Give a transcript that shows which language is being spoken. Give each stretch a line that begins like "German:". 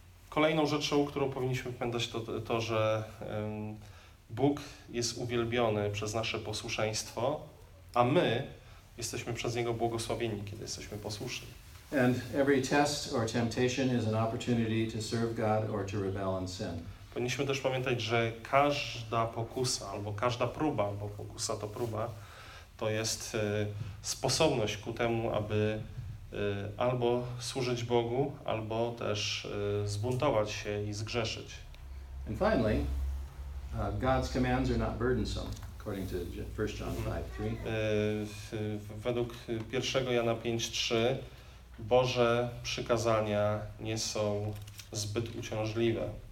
Polish: Kolejną rzeczą, którą powinniśmy pamiętać, to że Bóg jest uwielbiony przez nasze posłuszeństwo, a my jesteśmy przez Niego błogosławieni, kiedy jesteśmy posłuszni.
English: And every test or temptation is an opportunity to serve God or to rebel and sin.
Polish: Powinniśmy też pamiętać, że każda pokusa albo każda próba, bo pokusa to próba, to jest sposobność ku temu, aby albo służyć Bogu, albo też zbuntować się i zgrzeszyć.
English: And finally, God's commands are not burdensome. According to 1 John 5:3.
Polish: Według 1 Jana 5:3 Boże przykazania nie są zbyt uciążliwe.